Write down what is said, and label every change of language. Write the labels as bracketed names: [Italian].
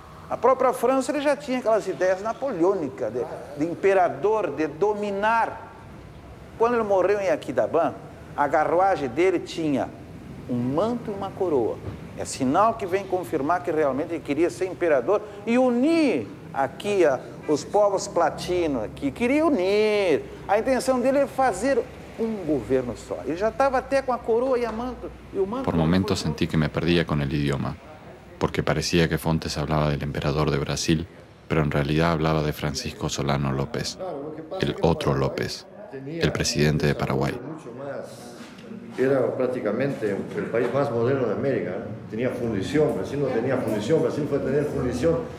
[Spanish] La propia Francia ya tenía aquellas ideas napoleónicas de emperador, de dominar. Cuando él murió en Aquidabán, la carruaje de él tenía un manto y una coroa. Es sinal que viene a confirmar que realmente él quería ser emperador y unir aquí [Portuguese] os povos platinos aqui, queria unir. A intenção dele é fazer um governo só. Ele já estava até com a coroa e a manto. E o manto. Por momentos senti que me perdia com o idioma, porque parecia que Fontes falava do imperador de Brasil, [Spanish] pero en realidad hablaba de Francisco Solano López, el otro López, el presidente de Paraguay. Era prácticamente el país más moderno de América. Tenía fundición, Brasil no tenía fundición, Brasil fue tener fundición.